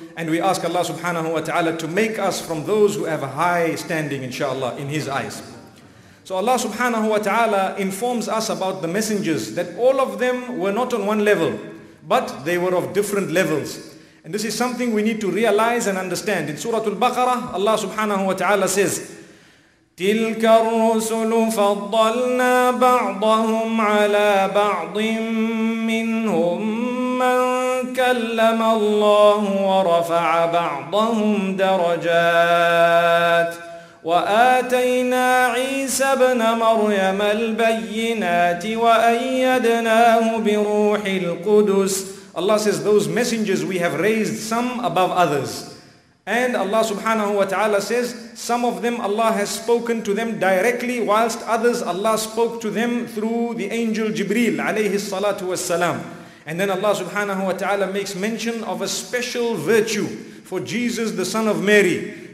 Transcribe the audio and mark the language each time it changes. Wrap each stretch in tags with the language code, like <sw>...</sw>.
<en>And we ask Allah subhanahu wa ta'ala to make us from those who have a high standing inshallah in His eyes. So Allah subhanahu wa ta'ala informs us about the messengers that all of them were not on one level, but they were of different levels. And this is something we need to realize and understand. In Surah Al-Baqarah, Allah subhanahu wa ta'ala says,</en> <ar>تلك الرسل فضلنا بعضهم على بعض منهم من كلم الله ورفع بعضهم درجات وآتينا عيسى ابن مريم البينات وأيدناه بروح القدس.</ar> <en>Allah says, those messengers we have raised some above others. And Allah subhanahu wa ta'ala says, some of them Allah has spoken to them directly, whilst others Allah spoke to them through the angel Jibreel alayhi salatu wasalam. And then Allah subhanahu wa ta'ala makes mention of a special virtue for Jesus the son of Mary.</en>